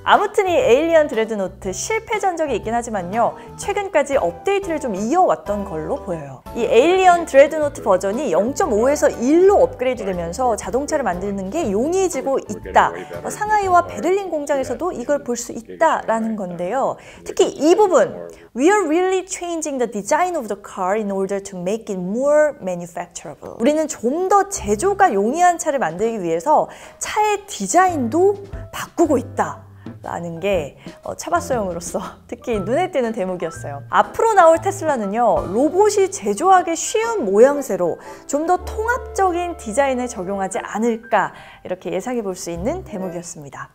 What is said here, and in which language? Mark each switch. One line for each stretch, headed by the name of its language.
Korean: 아무튼 이 에일리언 드레드노트 실패 전적이 있긴 하지만요. 최근까지 업데이트를 좀 이어왔던 걸로 보여요. 이 에일리언 드레드노트 버전이 0.5에서 1로 업그레이드 되면서 자동차를 만드는 게 용이해지고 있다. 상하이와 베를린 공장에서도 이걸 볼 수 있다라는 건데요. 특히 이 부분
English: We are really changing the design of the car in order to make it more manufacturable.
Korean: 우리는 좀 더 제조가 용이한 차를 만들기 위해서 차의 디자인도 바꾸고 있다. 라는 게 차바소형으로서 특히 눈에 띄는 대목이었어요. 앞으로 나올 테슬라는요. 로봇이 제조하기 쉬운 모양새로 좀 더 통합적인 디자인을 적용하지 않을까 이렇게 예상해 볼 수 있는 대목이었습니다.